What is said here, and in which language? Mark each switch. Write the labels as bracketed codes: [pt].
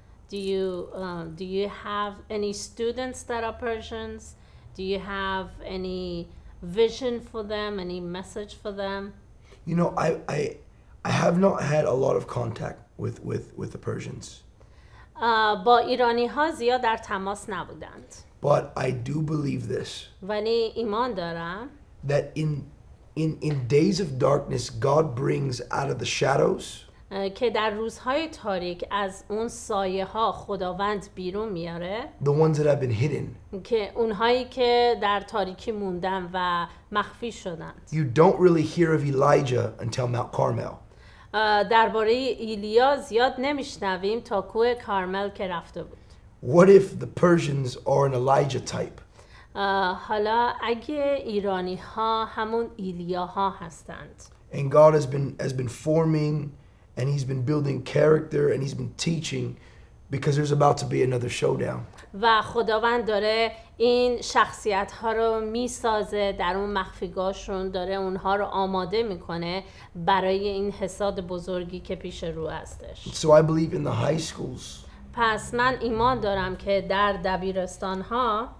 [en] Do you have any students that are Persians? Do you have any vision for them, any message for them? You know, I have not had a lot of contact with the Persians. [fa] با ایرانی‌ها زیاد در تماس نبودند. [en] But I do believe this. [fa] ولی ایمان دارم. [en] That in days of darkness, God brings out of the shadows. [fa] که در روزهای تاریک از اون سایه ها خداوند بیرون میاره. [en] The ones that have been hidden. [fa] که اونهایی که در تاریکی موندن و مخفی شدند. [en] You don't really hear of Elijah until Mount Carmel. [fa] درباره ایلیا زیاد نمیشنویم تا کوه کارمل که رفته بود. [en] What if the Persians are an Elijah type? [fa] حالا اگه ایرانی ها همون ایلیا ها هستند. [en] And God has been forming and he's been building character and he's been teaching because there's about to be another showdown. [fa] و خداوند داره این شخصیت ها رو میسازه، در اون مخفیگاهشون داره اونها رو آماده میکنه برای این حساد بزرگی که پیش رو هستش. [en] So I believe in the high schools. [fa] پس من ایمان دارم که در دبیرستان ها